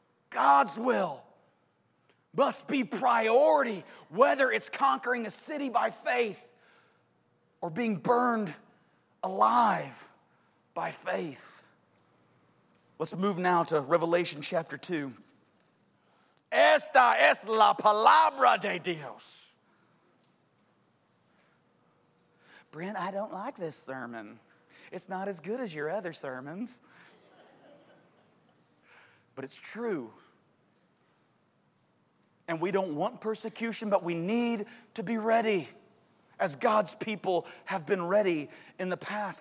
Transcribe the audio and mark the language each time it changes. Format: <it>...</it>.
<en>God's will must be priority, whether it's conquering a city by faith or being burned alive by faith. Let's move now to Revelation chapter 2.</en> <es>Esta es la palabra de Dios.</es> <en>Brent, I don't like this sermon. It's not as good as your other sermons. But it's true. And we don't want persecution, but we need to be ready as God's people have been ready in the past.</en>